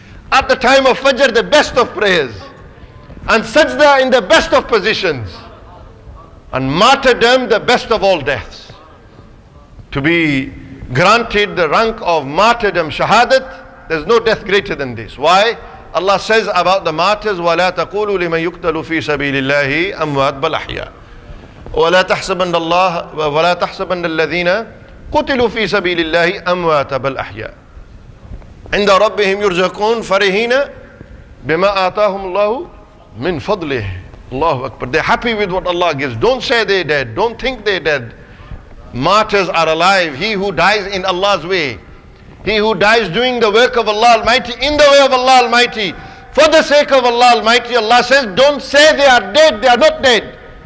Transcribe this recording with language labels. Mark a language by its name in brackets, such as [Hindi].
[English] At the time of Fajr, the best of prayers. And sajda in the best of positions. And martyrdom, the best of all deaths. To be granted the rank of martyrdom, shahadat, there's no death greater than this. Why? Allah says about the martyrs, [Arabic] وَلَا تَقُولُوا لِمَنْ يُقْتَلُ فِي سَبِيلِ اللَّهِ أَمْوَاتْ بَلَحْيَا وَلَا تَحْسَبَنَّ اللَّهَ وَلَا تَحْسَبَنَّ الَّذِينَ قُتِلُوا فِي سَبِيلِ اللَّهِ أَمْوَاتَ بَلْ أَحْيَا عِنْدَ رَبِّهِمْ يُرْزَقُونَ فَرِهِينَ بِمَا آتَاهُمُ اللَّهُ مِنْ فَضْلِهِ الله أكبر. [English] They're happy with what Allah gives. Don't say they're dead. Don't think they're dead. Martyrs are alive. He who dies in Allah's way, he who dies doing the work of Allah Almighty, in the way of Allah Almighty, for the sake of Allah Almighty, Allah says, don't say they are dead. They are not dead.